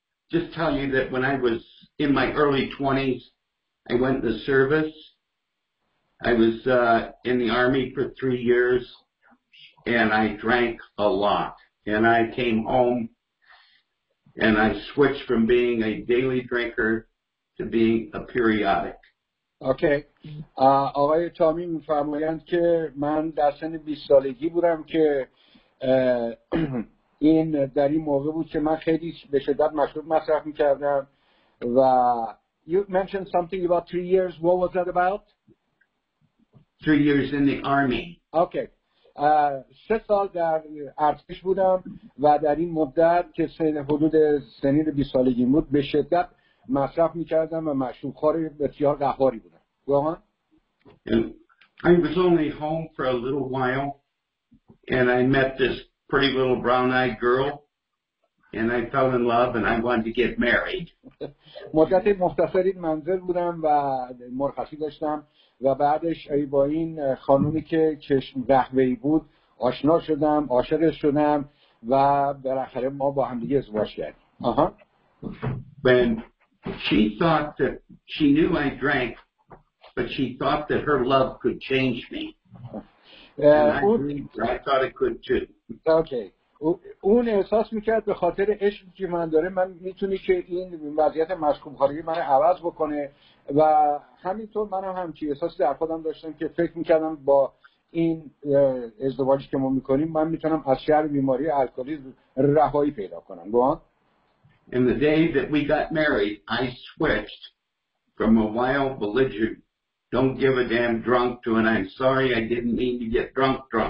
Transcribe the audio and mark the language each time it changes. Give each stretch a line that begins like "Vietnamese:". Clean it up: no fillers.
English: just tell you that when I was in my early 20s, I went in the service. I was in the Army for 3 years, and I drank a lot. And I came home, and I switched from being a daily drinker to being a periodic. Okay.
Persian: آقای تامی می‌فرمایند که من در سن 20 سالگی بودم که این در این موقع بود که من خیلی به شدت مشروب مصرف می‌کردم و
English: you mentioned something about 3 years. What was that about? 3 years in the army. Okay.
Persian: 3 سال در ارتش بودم و در این مدت که سن حدود سنین 20 سالگی بود به شدت مصرف می‌کردم و مشروب خوری بسیار قهاری بودم.
English: And I was only home for a little while, and I met this pretty little brown-eyed girl, and I fell in love, and I wanted to get married.
Persian: مدت مختصری منزل بودم و مرخصی داشتم و بعدش با این خانومی که چشم قهوه‌ای بود آشنا شدم، عاشق شدم و بالاخره ما با هم دیگه ازدواج کردیم.
English: When she thought that she knew I drank. But she thought that her love could change me. I thought it could too. Okay.
Persian: اون احساس میکرد به خاطر عشقی که من داره من میتونی که این وضعیت مشکوکاری من عوض بکنه و همینطور من هم همچی احساسی در خودم داشتم که فکر میکردم با این ازدواجی که ما میکنیم من میتونم از شر بیماری الکلی رهایی پیدا کنم.
English: In the day that we got married, I switched from a wild belligerent don't give a damn drunk to and I'm sorry I didn't mean to get drunk.